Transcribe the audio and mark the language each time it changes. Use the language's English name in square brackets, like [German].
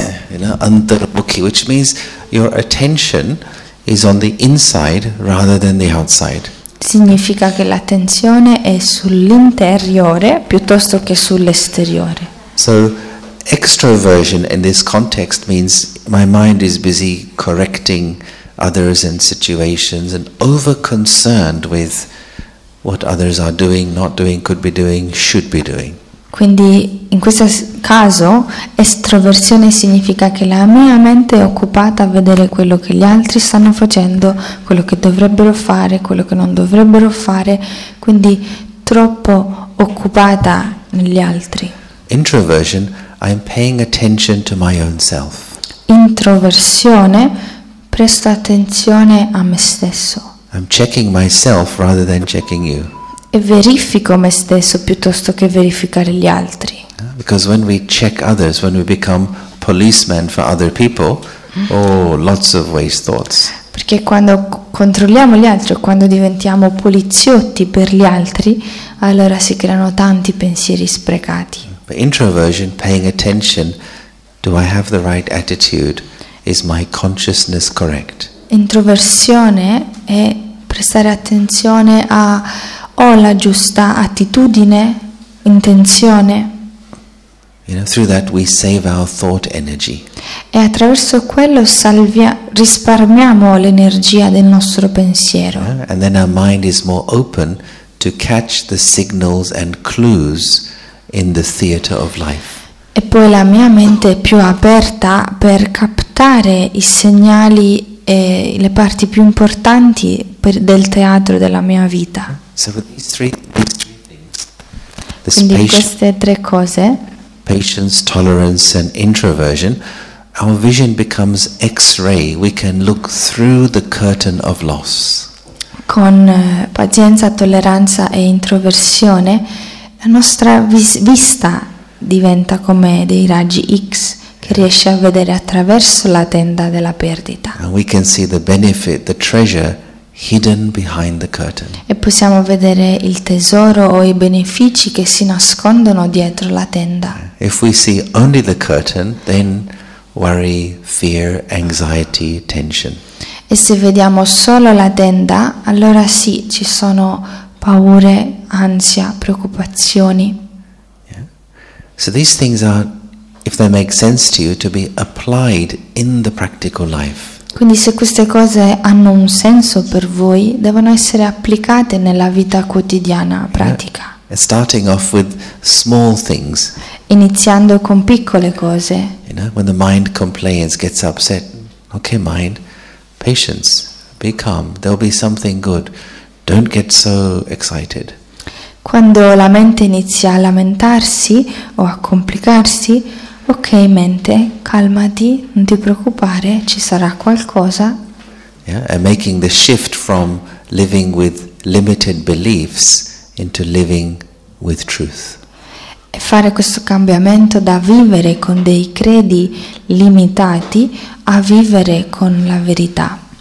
[English] You know, antarmukhi, which means your attention is on the inside rather than the outside. [Italian] Significa che l'attenzione è sull'interiore piuttosto che sull'esteriore. [English] So extroversion in this context means my mind is busy correcting others and situations and over concerned with what others are doing, not doing, could be doing, should be doing. [Italian] Quindi in questo caso estroversione significa che la mia mente è occupata a vedere quello che gli altri stanno facendo, quello che dovrebbero fare, quello che non dovrebbero fare, quindi troppo occupata negli altri. [English] Introversion, I'm paying attention to my own self. [Italian] Introversione, presto attenzione a me stesso. [English] I'm checking myself rather than checking you. [Italian] E verifico me stesso piuttosto che verificare gli altri. [English] Because when we check others, when we become policemen for other people, oh, lots of waste thoughts. [Italian] Perché quando controlliamo gli altri, quando diventiamo poliziotti per gli altri, allora si creano tanti pensieri sprecati. [English] But introversion, paying attention, do I have the right attitude? Is my consciousness correct? [Italian] Introversione è prestare attenzione a ho la giusta attitudine, intenzione. [English] You know, through that we save our thought energy. [Italian] E attraverso quello risparmiamo l'energia del nostro pensiero. [English] Yeah? And then our mind is more open to catch the signals and clues in the theater of life. [Italian] E poi la mia mente è più aperta per captare i segnali e le parti più importanti del teatro della mia vita. [English] So with these three things, [Italian] quindi queste tre cose, [English] patience, tolerance and introversion, our vision becomes X-ray, we can look through the curtain of loss. [Italian] Con pazienza, tolleranza e introversione, la nostra vista diventa come dei raggi X che riesce a vedere attraverso la tenda della perdita. [English] And we can see the benefit, the treasure hidden behind the curtain. [Italian] E possiamo vedere il tesoro o i benefici che si nascondono dietro la tenda. [English] If we see only the curtain, then worry, fear, anxiety, tension. [Italian] E se vediamo solo la tenda, allora sì, ci sono paure, ansia, preoccupazioni. [English] Yeah. So these things are, if they make sense to you, to be applied in the practical life. [Italian] Quindi se queste cose hanno un senso per voi, devono essere applicate nella vita quotidiana, pratica. [English] Yeah. Starting off with small things. [Italian] Iniziando con piccole cose. [English] You know, when the mind complains, gets upset, okay mind, patience, be calm, there'll be something good, don't get so excited. [Italian] Quando la mente inizia a lamentarsi o a complicarsi, ok mente, calmati, non ti preoccupare, ci sarà qualcosa. [English] Yeah, and making the shift from living with limited beliefs into living with truth. [Italian] E fare questo cambiamento da vivere con dei credi limitati a vivere con la verità.